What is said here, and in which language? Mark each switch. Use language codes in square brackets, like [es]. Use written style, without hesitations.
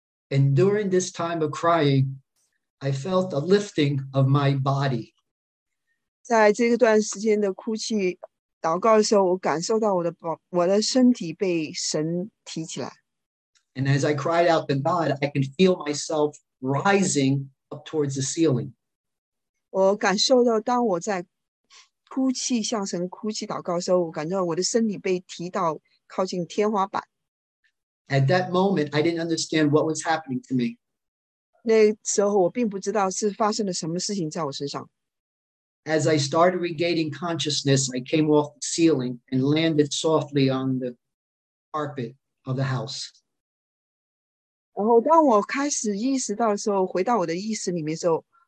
[en] And during this time of crying, I felt a lifting of my body. [zh] 在这段时间的哭泣祷告的时候，我感受到我的身体被神提起来。 [en] And as I cried out to God, I can feel myself rising up towards the ceiling. [zh] 我感受到，当我在哭泣、向神哭泣、祷告的时候，我感觉到我的身体被提到靠近天花板。 [en] At that moment, I didn't understand what was happening to me. [zh] 那时候我并不知道是发生了什么事情在我身上。 [en] As I started regaining consciousness, I came off the ceiling and landed softly on the carpet of the house. [zh] 然后当我开始意识到的时候，回到我的意识里面的时候。